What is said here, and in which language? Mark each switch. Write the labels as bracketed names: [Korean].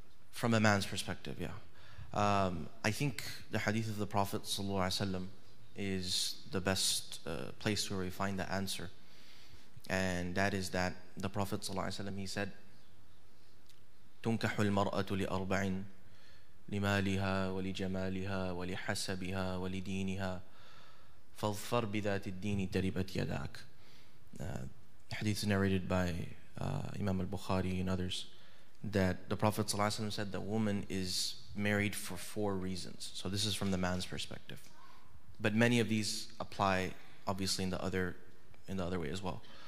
[English] From a man's perspective, yeah. I think the hadith of the Prophet sallallahu alaihi wasallam is the best place where we find the answer. And that is that the Prophet sallallahu alaihi wasallam, he said, [Arabic] "Tunkahul mar'atu li arba'in." لمالها ولجمالها ولحسبها ولدينها فاظفر بذات الدين تربت يداك. [English] Hadith is narrated by Imam al-Bukhari and others that the Prophet ﷺ said the woman is married for four reasons. So this is from the man's perspective. But many of these apply obviously in the other way as well.